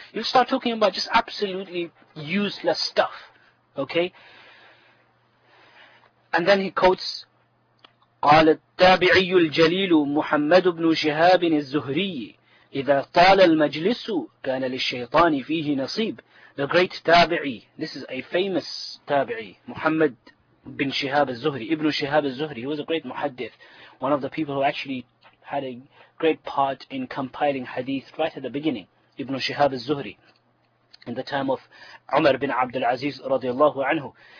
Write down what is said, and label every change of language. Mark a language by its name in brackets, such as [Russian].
[English] You'll start talking about just absolutely useless stuff, okay? And then he quotes, [Arabic] قَالَ التَّابِعِيُّ الْجَلِيلُ مُحَمَّدُ بْنُ شِهَابٍ الزُّهْرِيِّ إِذَا طَالَ الْمَجْلِسُ كَانَ لِلشَّيْطَانِ فِيهِ نَصِيبٌ. [English] The great Tabi'i, this is a famous Tabi'i, Muhammad bin Shihab al-Zuhri, Ibn Shihab al-Zuhri, he was a great muhaddith, one of the people who actually had a great part in compiling hadith right at the beginning, Ibn Shihab al-Zuhri, in the time of Umar bin Abdul Aziz radiallahu anhu.